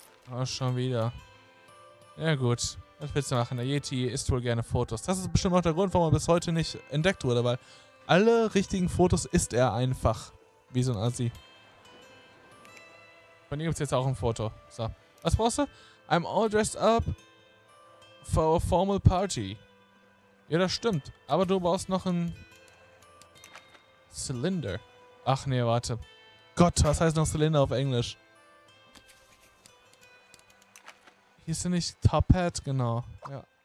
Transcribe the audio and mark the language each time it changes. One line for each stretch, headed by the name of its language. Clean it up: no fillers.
German: Oh, schon wieder. Ja gut. Was willst du machen? Der Yeti isst wohl gerne Fotos. Das ist bestimmt auch der Grund, warum er bis heute nicht entdeckt wurde, weil alle richtigen Fotos isst er einfach. Wie so ein Assi. Von ihm gibt's jetzt auch ein Foto. So. Was brauchst du?
English: I'm all dressed up for a formal party.
German: Ja, das stimmt. Aber du brauchst noch ein Zylinder. Ach nee, warte. Gott, was heißt noch Zylinder auf Englisch? Hier ist ja nicht Top Hat, genau. Ja.